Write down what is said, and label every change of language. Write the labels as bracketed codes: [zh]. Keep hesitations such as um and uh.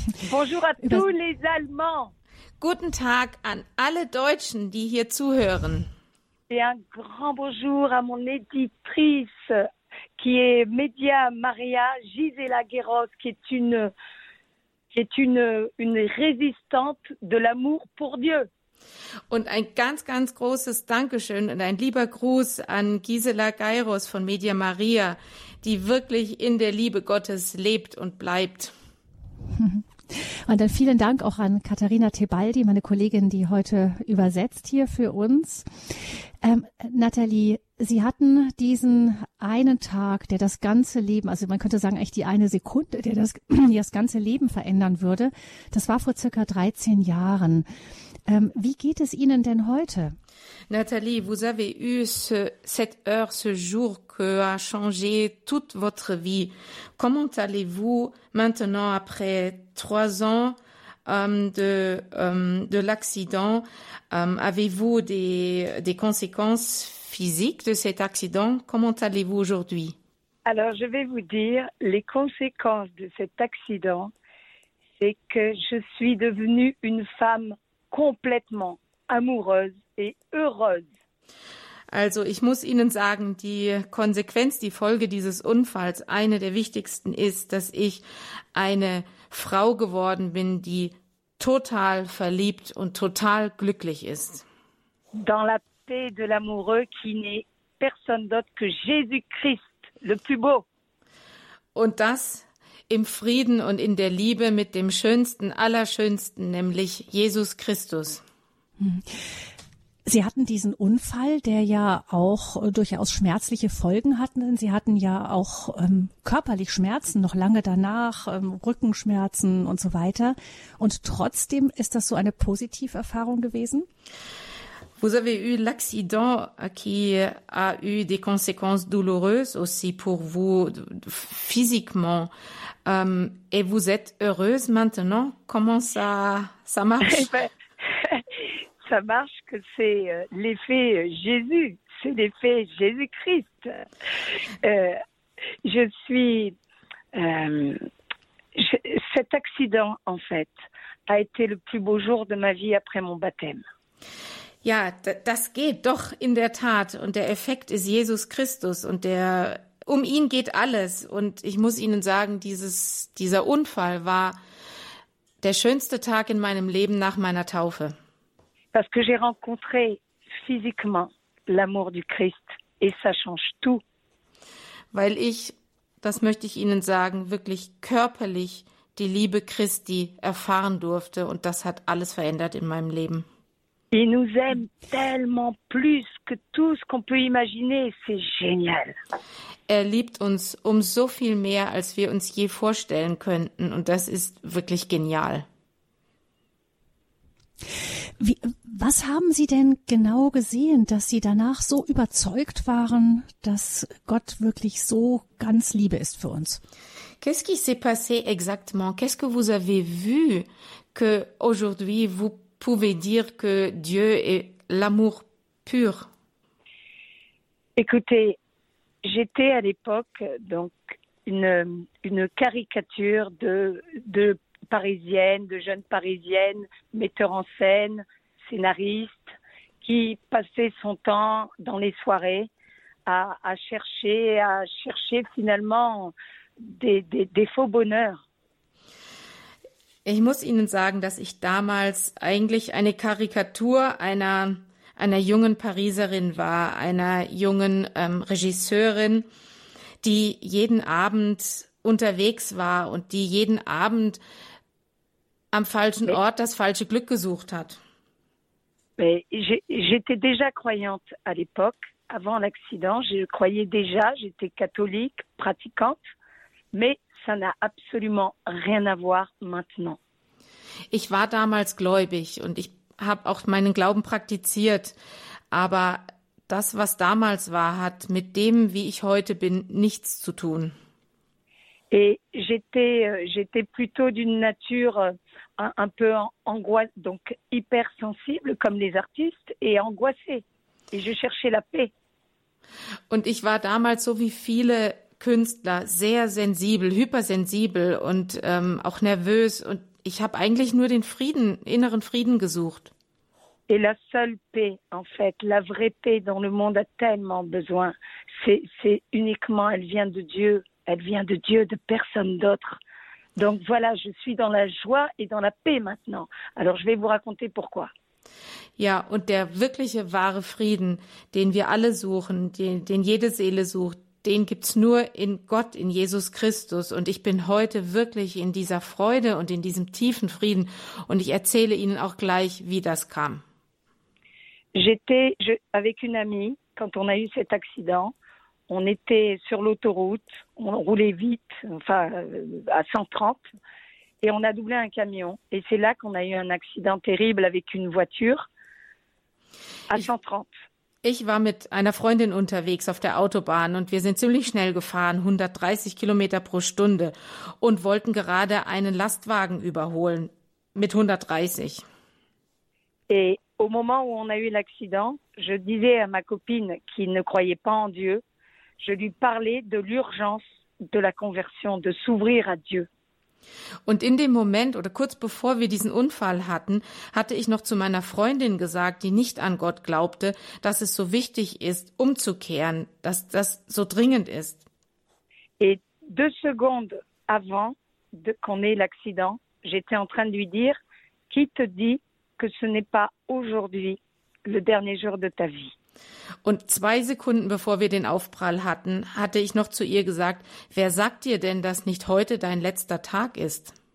[fr] Bonjour à tous les Allemands. [de] Guten Tag an alle Deutschen, die hier zuhören. [fr] Et un grand bonjour à mon éditrice, qui est Média Maria Gisela Guéros, qui est une qui est une, une résistante de l'amour pour Dieu. [de] Und ein ganz, ganz großes Dankeschön und ein lieber Gruß an Gisela Geiros von Media Maria, die wirklich in der Liebe Gottes lebt und bleibt. Und dann vielen Dank auch an Katharina Tebaldi, meine Kollegin, die heute übersetzt hier für uns. Ähm, Nathalie, Sie hatten diesen einen Tag, der das ganze Leben, also man könnte sagen, eigentlich die eine Sekunde, der das, die das ganze Leben verändern würde. Das war vor circa 13 Jahren. Ähm, wie geht es Ihnen denn heute? [fr] Nathalie, vous avez eu ce, cette heure, ce jour que a changé toute votre vie. Comment allez-vous maintenant après trois ans euh, de, euh, de l'accident? Euh, avez-vous des, des conséquences physique de cet accident. Comment allez-vous aujourd'hui Alors, je vais vous dire, les conséquences de cet accident, c'est que je suis devenue une femme complètement amoureuse et heureuse. [de] Also, ich muss Ihnen sagen, die Konsequenz, die Folge dieses Unfalls, eine der wichtigsten ist, dass ich eine Frau geworden bin, die total verliebt und total glücklich ist. [fr] Dans la de l'amoureux qui n'est personne d'autre que Jésus-Christ, le plus beau. [de] Und das im Frieden und in der Liebe mit dem schönsten aller schönsten, nämlich Jesus Christus. Sie hatten diesen Unfall, der ja auch durchaus schmerzliche Folgen hatten. Sie hatten ja auch ähm, körperlich Schmerzen noch lange danach, ähm, Rückenschmerzen und so weiter. Und trotzdem ist das so eine Positiverfahrung gewesen? [fr] Vous avez eu l'accident qui a eu des conséquences douloureuses aussi pour vous physiquement. Euh, et vous êtes heureuse maintenant Comment ça, ça marche eh ben, Ça marche que c'est l'effet Jésus, c'est l'effet Jésus-Christ. Euh, je suis. Euh, je, cet accident, en fait, a été le plus beau jour de ma vie après mon baptême. [de] Ja, das geht doch in der Tat. Und der Effekt ist Jesus Christus und der, um ihn geht alles. Und ich muss Ihnen sagen, dieses, dieser Unfall war der schönste Tag in meinem Leben nach meiner Taufe. [fr] Parce que j'ai rencontré physiquement l'amour du Christ et ça change tout. [de] Weil ich, das möchte ich Ihnen sagen, wirklich körperlich die Liebe Christi erfahren durfte und das hat alles verändert in meinem Leben. [fr] Il nous aime tellement plus que tout ce qu'on peut imaginer. C'est génial. [de] Er liebt uns um so viel mehr, als wir uns je vorstellen könnten. Und das ist wirklich genial. Wie, was haben Sie denn genau gesehen, dass Sie danach so überzeugt waren, dass Gott wirklich so ganz Liebe ist für uns? [fr] Qu'est-ce qui s'est passé exactement? Qu'est-ce que vous avez vu que aujourd'hui vous pouvez dire que Dieu est l'amour pur? Écoutez, j'étais à l'époque donc une, une caricature de, de parisienne, de jeune parisienne, metteur en scène, scénariste, qui passait son temps dans les soirées à, à chercher, à chercher finalement des, des, des faux bonheurs. [de] Ich muss Ihnen sagen, dass ich damals eigentlich eine Karikatur einer, einer jungen Pariserin war, einer jungen ähm, Regisseurin, die jeden Abend unterwegs war und die jeden Abend am falschen [fr] Mais- [de] Ort das falsche Glück gesucht hat. [fr] Mais j'ai- j'étais déjà croyante à l'époque, avant l'accident. Je croyais déjà, j'étais catholique, pratiquante, mais ça n'a absolument rien à voir maintenant. [de] Ich war damals gläubig und ich habe auch meinen Glauben praktiziert, aber das, was damals war, hat mit dem, wie ich heute bin, nichts zu tun. [fr] Et j'étais, euh, j'étais plutôt d'une nature euh, un, un peu an- angoi- donc hypersensible comme les artistes et angoissée. Et je cherchais la paix. [de] Und ich war damals, so wie viele Künstler, sehr sensibel, hypersensibel und ähm, auch nervös. Und ich habe eigentlich nur den Frieden, inneren Frieden gesucht. [fr] Et la seule paix, en fait, la vraie paix dont le monde a tellement besoin, c'est, c'est uniquement, elle vient de Dieu, elle vient de Dieu, de personne d'autre. Donc voilà, je suis dans la joie et dans la paix maintenant. Alors je vais vous raconter pourquoi. [de] Ja, und der wirkliche wahre Frieden, den wir alle suchen, den, den jede Seele sucht, den gibt's nur in Gott, in Jesus Christus. Und ich bin heute wirklich in dieser Freude und in diesem tiefen Frieden. Und ich erzähle Ihnen auch gleich, wie das kam. [fr] J'étais je- avec une amie quand on a eu cet accident. On était sur l'autoroute, on roulait vite, enfin euh, à 130, et on a doublé un camion. Et c'est là qu'on a eu un accident terrible avec une voiture à 130. [de] Ich war mit einer Freundin unterwegs auf der Autobahn und wir sind ziemlich schnell gefahren, 130 Kilometer pro Stunde und wollten gerade einen Lastwagen überholen mit 130. [fr] Et au moment où on a eu l'accident, je disais à ma copine qui ne croyait pas en Dieu, je lui parlais de l'urgence de la conversion, de s'ouvrir à Dieu. [de] Und in dem Moment oder kurz bevor wir diesen Unfall hatten, hatte ich noch zu meiner Freundin gesagt, die nicht an Gott glaubte, dass es so wichtig ist, umzukehren, dass das so dringend ist. [fr] Et deux secondes avant de- qu'on ait l'accident, j'étais en train de lui dire Qui te dit que ce n'est pas aujourd'hui le dernier jour de ta vie [de] Und zwei Sekunden bevor wir den Aufprall hatten, hatte ich noch zu ihr gesagt, wer sagt dir denn, dass nicht heute dein letzter Tag ist?